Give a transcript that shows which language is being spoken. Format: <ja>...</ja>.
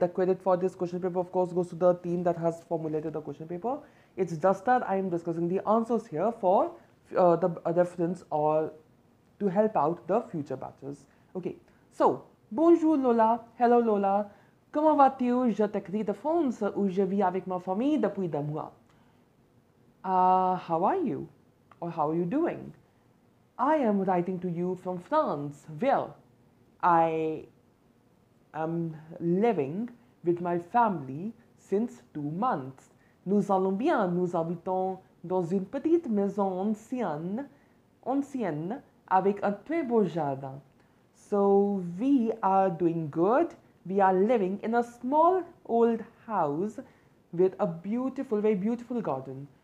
<en>The credit for this question paper, of course, goes to the team that has formulated the question paper. It's just that I am discussing the answers here for the reference or to help out the future batches. Okay, so,</en> <fr>bonjour Lola.</fr> <en>Hello Lola.</en> <fr>Comment vas-tu? Je t'écris de France où je vis avec ma famille depuis deux mois.</fr> <en>How are you? Or how are you doing? I am writing to you from France, where I am living with my family since 2 months.</en> <fr>Nous allons bien, nous habitons dans une petite maison ancienne avec un très beau jardin.</fr> <en>So we are doing good. We are living in a small old house with a beautiful, very beautiful garden.</en>